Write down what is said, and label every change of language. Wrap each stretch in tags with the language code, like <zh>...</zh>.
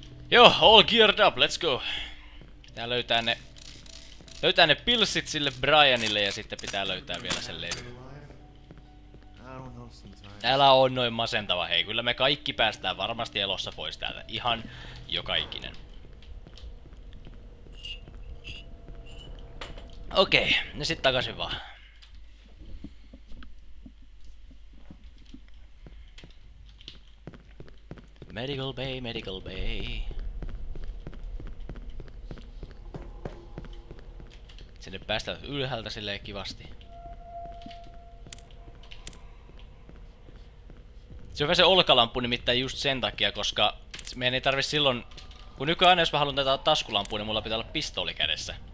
<en>Joo, all geared up, let's go!</en> <fi>Pitää löytää ne pilsit sille Brianille ja sitten pitää löytää vielä sen levy. Älä oo noin masentava, hei. Kyllä me kaikki päästään varmasti elossa pois täältä. Ihan joka ikinen. Okei, ne sit takaisin vaan. Medical bay, medical bay. Sinne päästään ylhäältä silleen kivasti. Se on se olkalampu nimittäin just sen takia, koska meidän ei tarvi silloin, kun nykyään jos mä haluan tätä taskulampua, niin mulla pitää olla pistooli kädessä.</fi>